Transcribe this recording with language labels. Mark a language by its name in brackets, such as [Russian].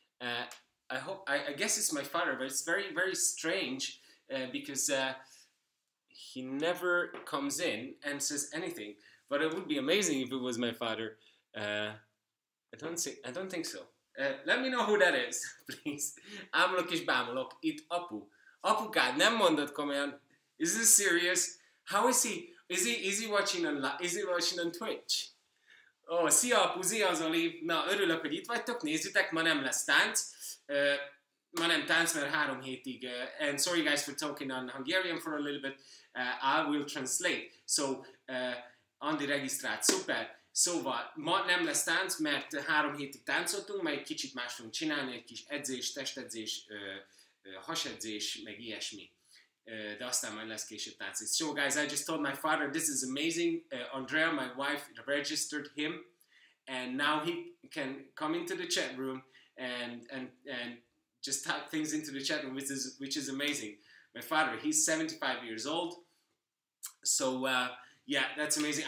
[English] I guess it's my father, but it's very, very strange because he never comes in and says anything. But it would be amazing if it was my father. I don't think so. Let me know who that is, please. [Hungarian] Ámulok és bámulok, itt apu. Apukád, nem mondod komolyan. [English] Is this serious? How is he? Is he watching on Twitch? [Hungarian] Oh, szia apu, szia Zoli. Na, örülök, hogy itt vagytok, nézzétek, ma nem lesz tánc. Ma nem tánc, mert 3 hétig. [English] And sorry guys for talking on Hungarian for a little bit. I will translate. [Hungarian] So, Andi regisztrált, szuper. Szóval, ma nem lesz tánc, mert 3 hétig táncoltunk, mert egy kicsit más fogunk csinálni, egy kis edzés, testedzés, hasedzés, meg ilyesmi. De aztán majd lesz később tánc. [English] So guys, I just told my father, this is amazing. Andrea, my wife, registered him. And now he can come into the chat room and just type things into the chat room, which is amazing. My father, he's 75 years old. So, yeah, that's amazing.